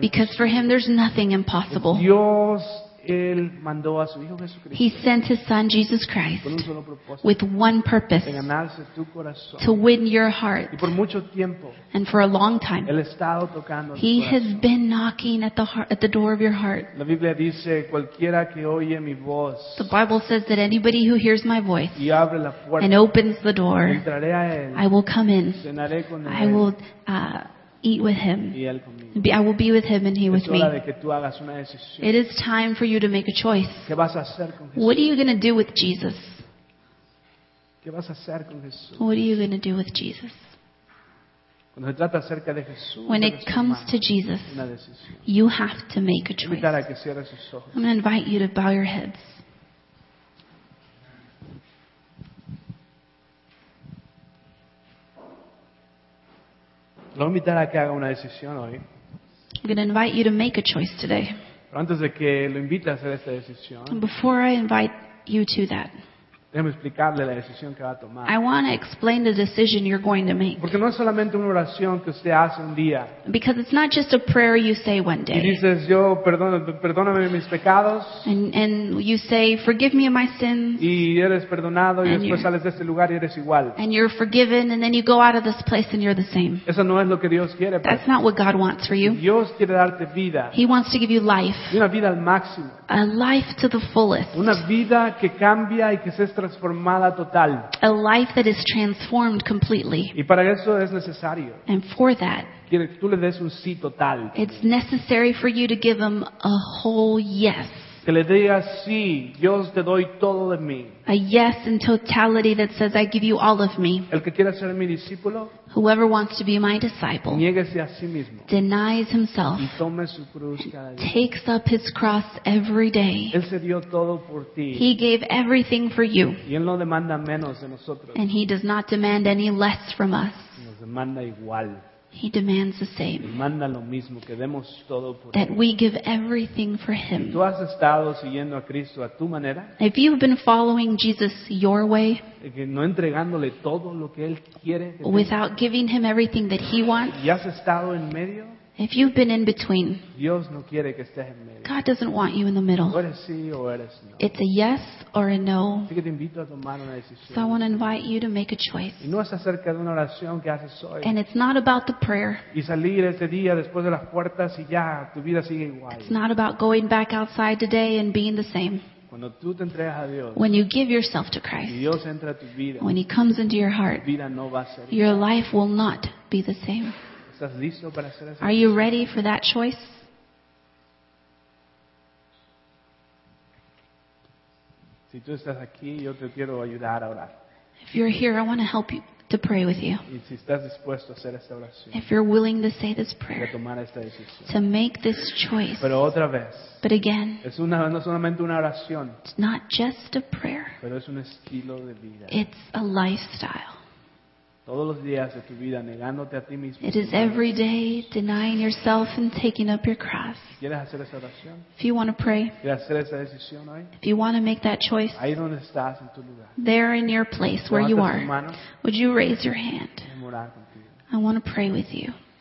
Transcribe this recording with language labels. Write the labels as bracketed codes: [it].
[en] Because for Him there's nothing impossible. [es] Dios, él mandó a su hijo Jesucristo, [en] He sent His Son Jesus Christ [es] con un solo propósito, [en] with one purpose, [es] de ganarse tu corazón, [en] to win your heart. [es] Y por mucho tiempo, [en] and for a long time, [es] él ha estado tocando [en] He [es] corazón. [en] Has been knocking at the door of your heart. [es] La Biblia dice, cualquiera que oye mi voz, [en] the Bible says that anybody who hears my voice [es] y abre la puerta, [en] and opens the door, [es] entraré a él, [en] I will come in. [es] Cenaré con él. [en] I will eat with him. I will be with him and he with me. It is time for you to make a choice. [es] ¿Qué vas a hacer con Jesús? [en] What are you going to do with Jesus? [es] ¿Qué vas a hacer con Jesús? [en] What are you going to do with Jesus? [es] Cuando se trata acerca de Jesús, [en] when it comes to Jesus, [es] una decisión, [en] you have to make a choice. [es] Invitar a que cierres sus ojos. [en] I'm going to invite you to bow your heads. [es] Lo voy a invitar a que haga una decisión hoy. [en] I'm going to invite you to make a choice today. [es] Pero antes de que lo invite a hacer esta decisión, [en] before I invite you to that, [es] déjame explicarle la decisión que va a tomar. [en] I want to explain the decision you're going to make. [es] Porque no es solamente una oración que usted hace un día. [en] Because it's not just a prayer you say one day. [es] Y dices, yo perdóname mis pecados. [en] And you say, forgive me of my sins. [es] Y eres perdonado y después sales de este lugar y eres igual. [en] And you're forgiven and then you go out of this place and you're the same. [es] Eso no es lo que Dios quiere. [en] That's not what God wants for you. [es] Dios quiere darte vida. [en] He wants to give you life. [es] Y una vida al máximo. [en] A life to the fullest. [es] Una vida que cambia y que se transformada total. [en] A life that is transformed completely. [es] Y para eso es necesario. [en] And for that, [es] quiere que tú le des un sí total. [en] It's necessary for you to give him a whole yes. [es] Que le digas sí, yo te doy todo de mí. [en] A yes in totality that says I give you all of me. [es] El que quiera ser mi discípulo, [en] whoever wants to be my disciple, [es] niéguese a sí mismo, [en] denies himself, [es] y tome su cruz cada día, [en] takes up his cross every day. [es] Él se dio todo por ti. [en] He gave everything for you. [es] Y él no demanda menos de nosotros. [en] And he does not demand any less from us. [es] Nos demanda igual. [en] He demands the same. [es] Manda lo mismo, que demos todo por [en] that [es] él. [en] We give everything for Him. [es] ¿Tú has estado siguiendo a Cristo a tu manera? [en] If you've been following Jesus your way, [es] no entregándole todo lo que él quiere, [en] without giving Him everything that He wants, [es] ¿y has estado en medio? [en] If you've been in between, [es] Dios no quiere que estés en medio. [en] God doesn't want you in the middle. [es] O eres sí o eres no. [en] It's a yes or a no. [es] Así que te invito a tomar una decisión. [en] So I want to invite you to make a choice. [es] Y no es acerca de una oración que haces hoy. [en] And it's not about the prayer. [es] Y salir ese día después de las puertas y ya, tu vida sigue igual. [en] It's not about going back outside today and being the same. [es] Cuando tú te entregas a Dios, [en] when you give yourself to Christ, [es] Dios entra a tu vida, [en] when He comes into your heart, [es] tu vida no va a ser [en] your igual. Life will not be the same. Are you ready for that choice? [es] Si tú estás aquí, yo te quiero ayudar a orar. [en] If you're here, I want to help you to pray with you. [es] Y si estás dispuesto a hacer esta oración, [en] if you're willing to say this prayer, [es] y a tomar esta decisión, [en] to make this choice. [es] Pero otra vez, [en] but again, [es] es una, no solamente una oración, [en] it's not just a prayer, [es] pero es un estilo de vida. [en] It's a lifestyle. [es] Todos los días de tu vida negándote a ti mismo. [en] It is every day denying yourself and taking up your cross. [es] ¿Quieres hacer esa oración? [en] If you want to pray. [es] ¿Quieres hacer esa decisión hoy? [en] If you want to make that choice. [es] Ahí donde estás en tu lugar. [en] There in your place where you are. Would you raise your hand? I want to pray with you.